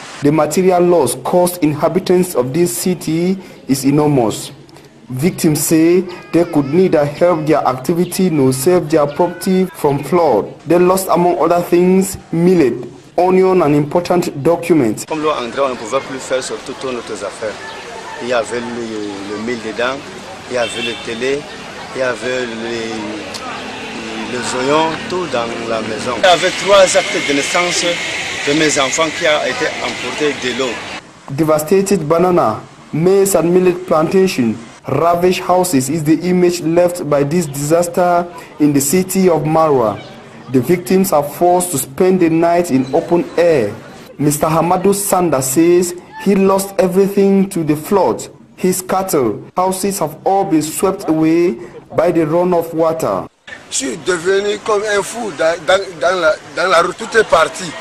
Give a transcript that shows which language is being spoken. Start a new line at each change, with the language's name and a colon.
English: The material loss caused inhabitants of this city is enormous. Victims say they could neither help their activity nor save their property from flood. They lost, among other things, millet, onion, and important documents.
French: Comme l'eau entrait, on ne pouvait plus faire sur toutes nos affaires. Il y avait le mil dedans, il y avait le télé, il y avait les oignons, tout dans la maison. Il y avait trois actes de naissance de mes enfants qui a été emporté de l'eau.
English: Devastated banana, maize, and millet plantation. Ravaged houses is the image left by this disaster in the city of Marwa. The victims are forced to spend the night in open air. Mr. Hamadu Sanda says he lost everything to the flood. His cattle, houses have all been swept away by the runoff water.
French: Je suis devenu comme un fou dans la rue, tout est parti.